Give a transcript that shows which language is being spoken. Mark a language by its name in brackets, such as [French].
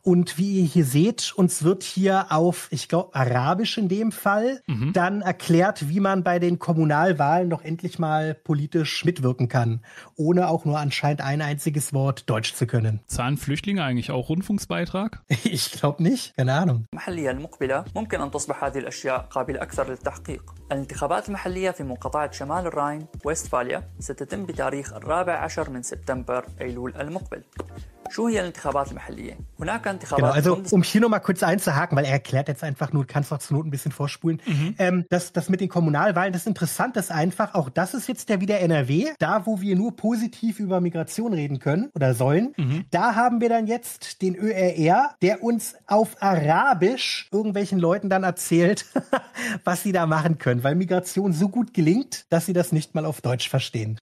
[German] Und wie ihr hier seht, uns wird hier auf, ich glaube, Arabisch in dem Fall, dann erklärt, wie man bei den Kommunalwahlen noch endlich mal politisch mitwirken kann, ohne auch nur anscheinend ein einziges Wort Deutsch zu können. Zahlen Flüchtlinge eigentlich auch Rundfunksbeitrag? Ich glaube nicht, keine Ahnung. [Arabic] محليا مقبلة ممكن أن تصبح هذه الأشياء قابلة أكثر للتحقيق. الانتخابات المحلية في منقطعة شمال الراين ويستفاليا ستتم بتاريخ 14 من سبتمبر أيلول المقبل. [German] Genau, also um hier nochmal kurz einzuhaken, weil er erklärt jetzt einfach nur, kannst doch zur Not ein bisschen vorspulen. Das mit den Kommunalwahlen, das Interessante ist einfach, auch das ist jetzt ja wieder NRW, da wo wir nur positiv über Migration reden können oder sollen, da haben wir dann jetzt den ÖRR, der uns auf Arabisch irgendwelchen Leuten dann erzählt, was sie da machen können, weil Migration so gut gelingt, dass sie das nicht mal auf Deutsch verstehen.